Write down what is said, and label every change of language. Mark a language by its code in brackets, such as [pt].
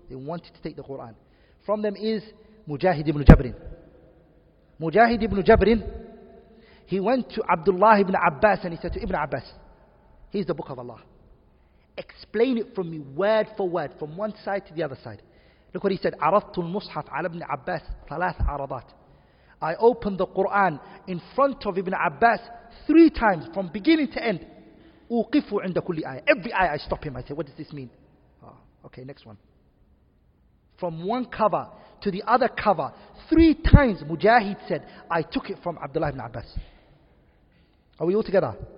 [en] They wanted to take the Quran. From them is Mujahid ibn Jabrin. Mujahid ibn Jabrin, he went to Abdullah ibn Abbas and he said to Ibn Abbas, here's the book of Allah. Explain it from me word for word, from one side to the other side. Look what he said, [ar] عَرَضْتُ الْمُصْحَفْ عَلَى ابْنِ عَبَّاسِ ثَلَاثْ عَرَضَاتِ. I opened the Qur'an in front of Ibn Abbas 3 times from beginning to end. أُوْقِفُ عِنْدَ كُلِّ آيَةِ. [en] Every ayah I stop him, I say, what does this mean? Oh, okay, next one. From one cover to the other cover, 3 times Mujahid said, I took it from Abdullah ibn Abbas. Are we all together?